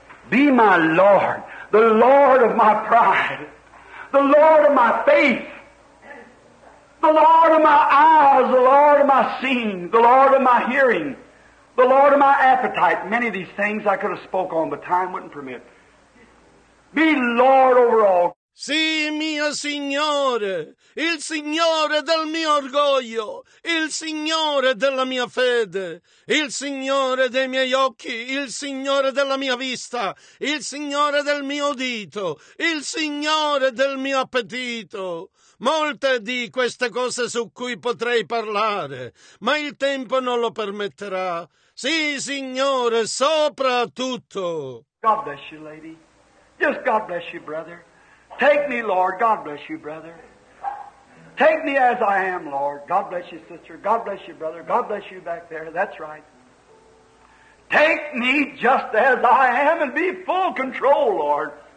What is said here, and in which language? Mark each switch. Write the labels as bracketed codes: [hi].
[en] Be my Lord, the Lord of my pride, the Lord of my faith, the Lord of my eyes, the Lord of my seeing, the Lord of my hearing. The Lord of my appetite. Many of these things I could have spoke on, but time wouldn't permit. Be Lord over all. [it] Sì, mio Signore, il Signore del mio orgoglio, il Signore della mia fede, il Signore dei miei occhi, il Signore della mia vista, il Signore del mio udito, il Signore del mio appetito. Molte di queste cose su cui potrei parlare, ma il tempo non lo permetterà. Sì, Signore, sopra tutto. [en] God bless you, lady. Just God bless you, brother. Take me, Lord. God bless you, brother. Take me as I am, Lord. God bless you, sister. God bless you, brother. God bless you back there. That's right. Take me just as I am and be full control, Lord.